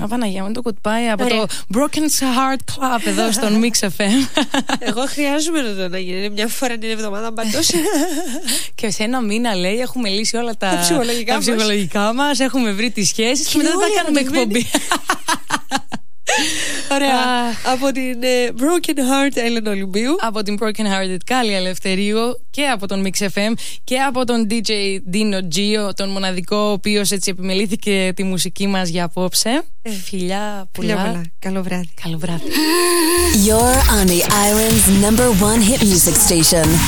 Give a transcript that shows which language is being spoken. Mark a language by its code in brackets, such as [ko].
[el] Απαναγία μου, είναι το goodbye. Ωραία. Από το Broken Heart Club εδώ στον Mix FM. Εγώ χρειάζομαι να το γίνει μια φορά την εβδομάδα, παντός. Και σε ένα μήνα, λέει, έχουμε λύσει όλα τα ψυχολογικά, μας, έχουμε βρει τις σχέσεις και μετά θα κάνουμε εκπομπή. Ωραία. Από την Broken Heart Helena Olymbiou. Από την Broken Hearted Kalia Eleftheriou. Και από τον Mix FM. Και από τον DJ Dino Gio, τον μοναδικό, ο οποίος έτσι επιμελήθηκε τη μουσική μας για απόψε. Φιλιά πολλά. Καλό βράδυ. Καλό βράδυ. [en] You're on the island's number one hit music station.